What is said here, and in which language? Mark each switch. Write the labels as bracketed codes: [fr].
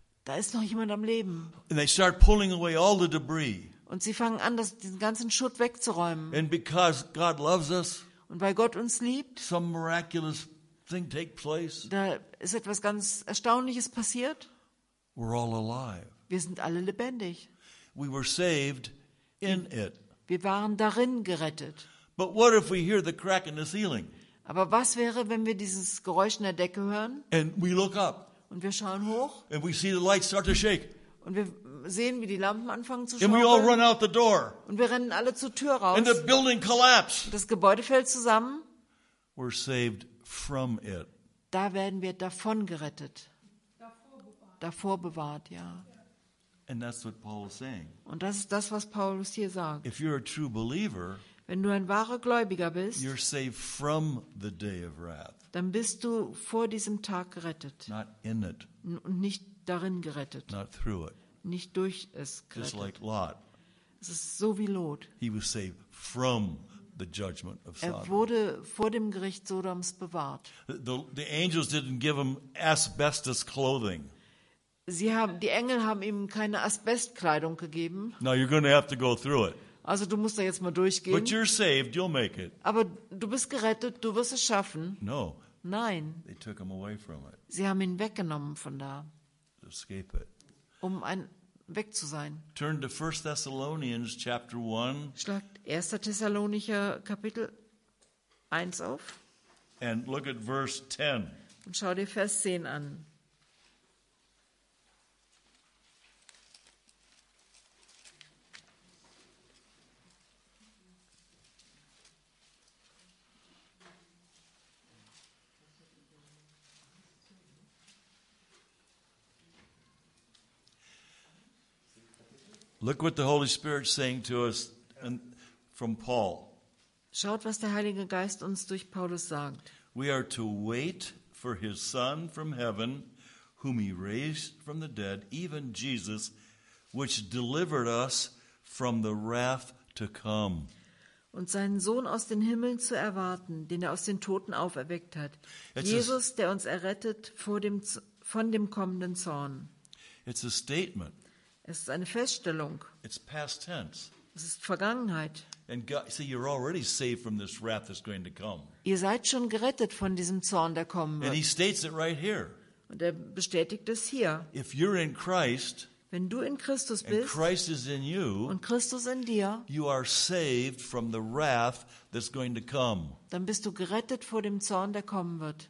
[de] Da ist noch jemand am Leben. [en] And they start pulling away all the debris. [de] Und sie fangen an, den ganzen Schutt wegzuräumen. [en] And because God loves us, [de] und weil Gott uns liebt, [en] some miraculous thing take place. [de] Da ist etwas ganz Erstaunliches passiert. [en] We're all alive. [de] Wir sind alle lebendig. [en] We were saved in it. [de] Wir waren darin gerettet. [en] But what if we hear the crack in the ceiling? [de] Aber was wäre, wenn wir dieses Geräusch in der Decke hören? [en] And we look up. [de] Und wir schauen hoch. [en] And we see the lights start to shake. [de] Und wir sehen, wie die Lampen anfangen zu schaukeln. [en] And we all run out the door. [de] Und wir rennen alle zur Tür raus. [en] And the building collapsed. [de] Das Gebäude fällt zusammen. [en] we're saved from it. [de] Da werden wir davon gerettet. Davor bewahrt, ja. [en] And that's what Paul is saying. [de] Und das ist das, was Paulus hier sagt. [en] If you're a true believer, [de] wenn du ein wahrer Gläubiger bist, [en] you're saved from the day of wrath. [de] Dann bist du vor diesem Tag gerettet. [en] Not in it. [de] Und nicht darin gerettet. [en] Not through it. [de] Nicht durch es gerettet. [en] Just like Lot. [de] Es ist so wie Lot. [en] He was saved from the judgment of Sodom. [de] Er wurde vor dem Gericht Sodoms bewahrt. [en] The angels didn't give him asbestos clothing. [de] Sie haben, die Engel haben ihm keine Asbestkleidung gegeben. [en] Now you're going to have to go through it. [de] Also du musst da jetzt mal durchgehen. [en] But you're saved, you'll make it. [de] Aber du bist gerettet, du wirst es schaffen. [en] No. [de] Nein. [en] They took him away from it. [de] Sie haben ihn weggenommen von da. [en] To escape it. [de] Um ein weg zu sein. [en] Turn to 1 Thessalonians chapter 1. [de] Schlagt 1. Thessalonicher Kapitel 1 auf. [en] And look at verse 10. [de] Und schau dir Vers 10 an. [en] Look what the Holy Spirit is saying to us from Paul. [de] Schaut, was der Heilige Geist uns durch Paulus sagt. [en] We are to wait for his Son from heaven, whom he raised from the dead, even Jesus, which delivered us from the wrath to come. [de] Und seinen Sohn aus den Himmeln zu erwarten, den er aus den Toten auferweckt hat. [en] It's Jesus, [de] der uns errettet von dem kommenden Zorn. [en] It's a statement. [de] Es ist eine Feststellung. [en] It's past tense. [de] Es ist Vergangenheit. [en] And God, see, you're already saved from this wrath that's going to come. [de] Ihr seid schon gerettet von diesem Zorn, der kommen wird. [en] And he states it right here. [de] Und er bestätigt es hier. [en] If you're in Christ, [de] wenn du in Christus bist, [en] and Christ is in you, [de] und Christus in dir, [en] you are saved from the wrath that's going to come. [de] Dann bist du gerettet vor dem Zorn, der kommen wird.